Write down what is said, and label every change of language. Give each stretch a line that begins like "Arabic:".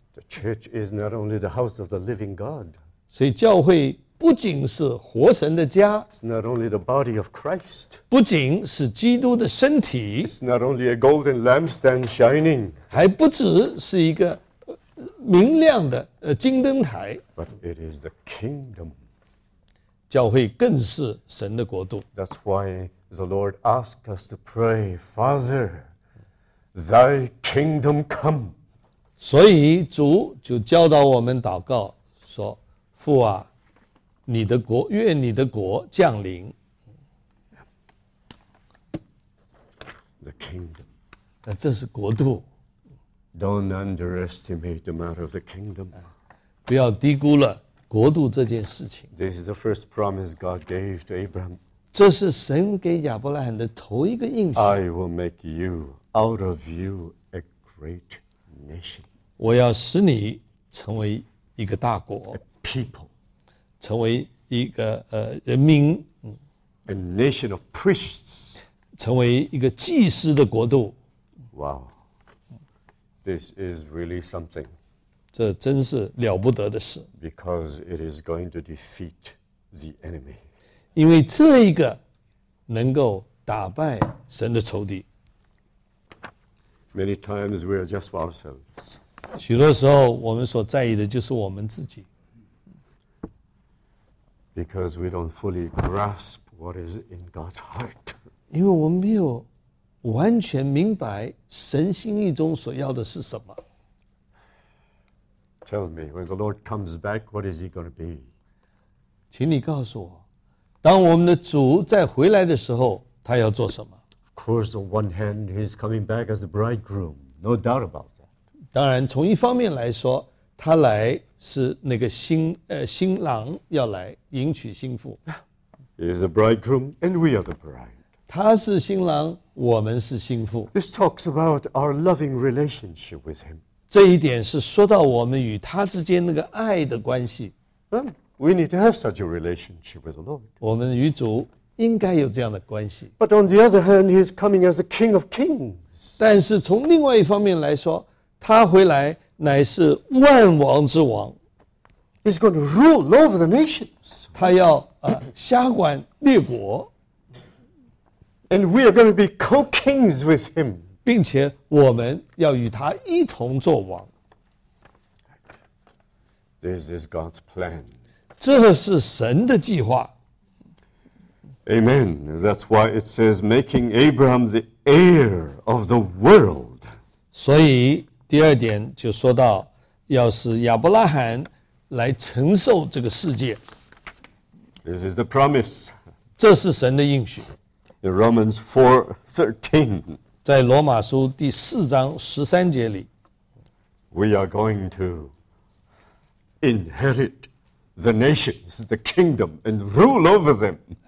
English: The church is not only the house of the living God.
Chinese: 所以教会不仅是活神的家，
English: It's not only the body of Christ.
Chinese: 不仅是基督的身体，
English: It's not only a golden lampstand shining.
Chinese: 还不只是一个明亮的金灯台，
English: But it is the kingdom.
Chinese: 教会更是神的国度。
English: That's why the Lord asked us to pray, Father, thy kingdom come.
Chinese: 所以主就教导我们祷告说，父啊，你的国，愿你的国降临。
English: The kingdom.
Chinese: 这是国度。
English: Don't underestimate the matter of the kingdom.
Chinese: 不要低估了国度这件事情。
English: This is the first promise God gave to Abraham.
Chinese: 这是神给亚伯拉罕的头一个应许。
English: I will make you, out of you, a great nation.
Chinese: 我要使你成为一个大国。
English: People,
Chinese: 成为一个人民
English: ，a nation of priests,
Chinese: 成为一个祭司的国度。
English: Wow, this is really something.
Chinese: 这真是了不得的事。
English: Because it is going to defeat the enemy.
Chinese: 因为这一个能够打败神的仇敌。
English: Many times we are just for ourselves.
Chinese: 许多时候我们所在意的就是我们自己。
English: Because we don't fully grasp what is in God's heart.
Chinese: 因为我们没有完全明白神心意中所要的是什么。
English: Tell me, when the Lord comes back, what is he going to be?
Chinese: 请你告诉我，当我们的主再回来的时候，他要做什么？
English: Of course, on one hand, he's coming back as the bridegroom. No doubt about that.
Chinese: 当然，从一方面来说，他来是那个 新郎要来迎娶新妇。
English: He is the bridegroom and we are the bride.
Chinese: 他是新郎，我们是新妇。
English: This talks about our loving relationship with him.
Chinese: 这一点是说到我们与他之间那个爱的关系。
English: Well, we need to have such a relationship with the Lord.
Chinese: 我们与主应该有这样的关系。
English: But on the other hand, he is coming as a king of kings.
Chinese: 但是从另外一方面来说，他回来乃是万王之王。
English: He's going to rule over the nations.
Chinese: 他要辖管列国。
English: And we are going to be co-kings with him.
Chinese: 并且我们要与他一同作王。
English: This is God's plan.
Chinese: 这是神的计划。
English: Amen. That's why it says making Abraham the heir of the world.
Chinese: 所以第二点就说到，要使亚伯拉罕来承受这个世界。
English: This is the promise.
Chinese: 这是神的应许。
English: In Romans 4:13,
Chinese: 在罗马书第四章十三节里，
English: We are going to inherit the nations, the kingdom, and rule over them.